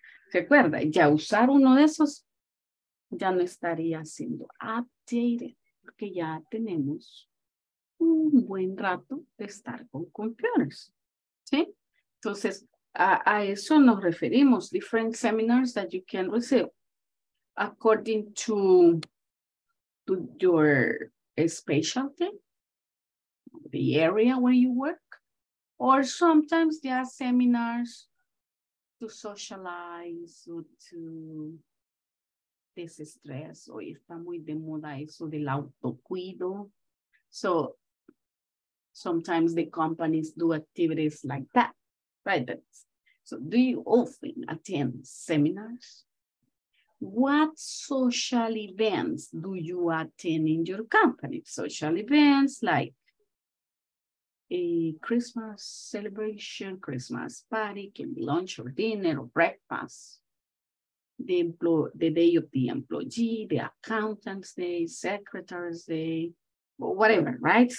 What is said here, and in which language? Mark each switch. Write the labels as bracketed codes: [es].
[es] ¿Se acuerda? Ya usar uno de esos ya no estaría siendo updated, porque ya tenemos un buen rato de estar con computers. ¿Sí? Entonces, a eso nos referimos. [en] Different seminars that you can receive according to your specialty, the area where you work, or sometimes there are seminars to socialize or to de-stress. [es] Hoy está muy de moda eso del autocuido. [en] So sometimes the companies do activities like that, right? That's, so do you often attend seminars? What social events do you attend in your company? Social events like a Christmas celebration, Christmas party, can be lunch or dinner or breakfast, the day of the employee, the accountant's day, secretary's day, whatever, right?